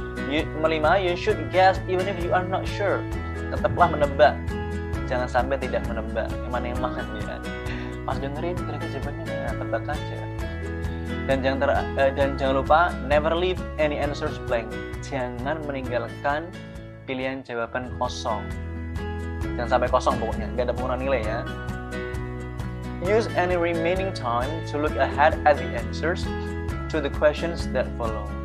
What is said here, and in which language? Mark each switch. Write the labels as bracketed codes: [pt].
[id] Kelima, [en] you should guess even if you are not sure. [id] Tetaplah menebak, jangan sampai tidak menebak. Mana yang makan ya? Pas dengerin, kira-kira jawabannya mana? Tebak aja. Dan jangan lupa, [en] never leave any answers blank. [id] Jangan meninggalkan pilihan jawaban kosong. Jangan sampai kosong pokoknya, gak ada pengurangan nilai ya. [en] Use any remaining time to look ahead at the answers to the questions that follow.